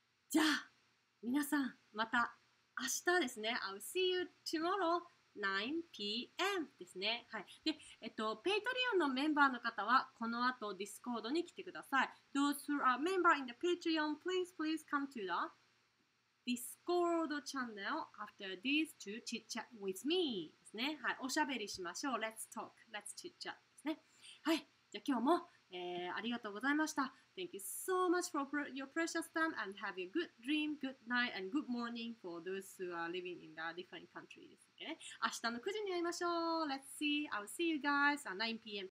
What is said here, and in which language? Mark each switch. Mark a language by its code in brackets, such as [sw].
[ja] じゃあ、皆さん、また明日ですね、 I'll see you tomorrow 9pm ですね。はい、で、Patreon のメンバーの方は、この後 Discord に来てください。 [en] Those who are members in the Patreon, please come to the Discord channel after this to chit chat with me. [ja] ね、はい、おしゃべりしましょう。 [en] Let's talk, let's chit chat ですね。 [ja] はい、じゃあ今日も、ありがとうございました。 [en] Thank you so much for your precious time and have a good dream, good night and good morning for those who are living in the different countries. Okay? 明日の9時に会いましょう。 Let's see, I'll see you guys at 9 p.m.